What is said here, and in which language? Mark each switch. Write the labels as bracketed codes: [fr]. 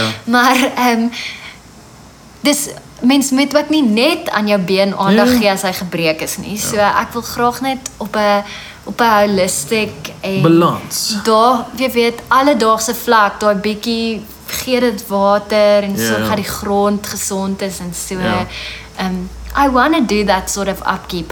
[af] Maar, dis, mens moet ook nie net aan jou been aandag gee as hy gebreek is nie, so ek wil graag net op een holistic en balans. Daar, jy weet, alledaagse vlak, daar bietjie gee dit water en so gaan die grond gesond is en so. [en] I want to do that sort of upkeep.